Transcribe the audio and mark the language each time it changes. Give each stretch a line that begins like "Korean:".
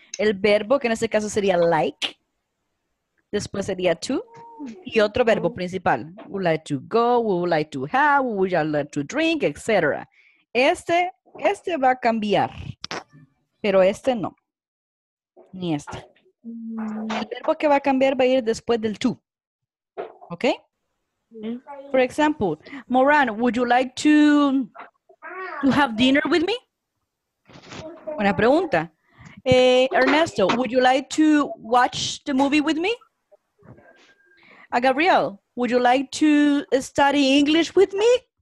Spanish: El verbo, que en este caso sería like. Después sería to, y otro verbo principal.
English: Would like to go, would like to have, would you like to drink, etc.
Spanish: Este va a cambiar, pero este no. Ni este. El verbo que va a cambiar va a ir después del to. ¿Ok?
English: For example, Moran, would you like to have dinner with me?
Spanish: Buena pregunta.
English: Ernesto, would you like to watch the movie with me? Gabriel, would you like to study English with me?